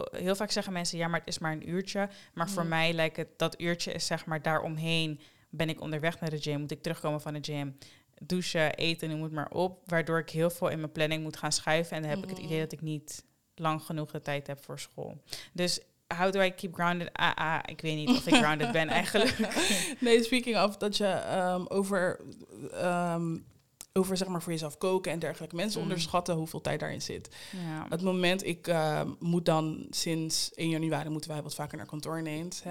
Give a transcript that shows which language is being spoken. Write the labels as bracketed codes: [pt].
[nl] Heel vaak zeggen mensen, ja, maar het is maar een uurtje. Maar voor mij lijkt het, dat uurtje is zeg maar daaromheen. Ben ik onderweg naar de gym, moet ik terugkomen van de gym... douchen, eten, nu moet maar op. Waardoor ik heel veel in mijn planning moet gaan schuiven. En dan heb ik het idee dat ik niet lang genoeg de tijd heb voor school. Dus [en] how do I keep grounded? [nl] Ik weet niet of ik grounded ben eigenlijk. Nee, speaking of dat je over zeg maar voor jezelf koken en dergelijke. Mensen onderschatten hoeveel tijd daarin zit. Ja. Het moment, ik moet dan sinds 1 januari moeten wij wat vaker naar kantoor ineens.